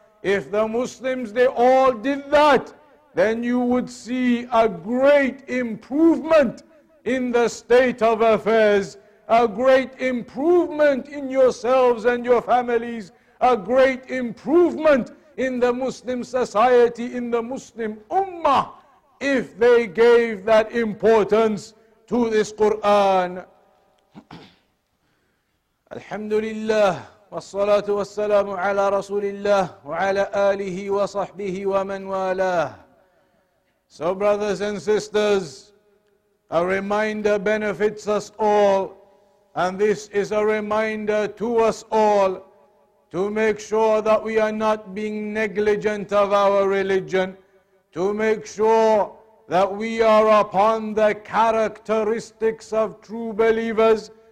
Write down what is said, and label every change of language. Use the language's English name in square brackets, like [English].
[English] If the Muslims, they all did that, then you would see a great improvement in the state of affairs, a great improvement in yourselves and your families, a great improvement in the Muslim society, in the Muslim Ummah, if they gave that importance to this Quran. [Arabic] الحمد لله والصلاة والسلام على رسول الله وعلى آله وصحبه ومن والاه. [English] So brothers and sisters, a reminder benefits us all, and this is a reminder to us all to make sure that we are not being negligent of our religion. to make sure that we are upon the characteristics of true believers.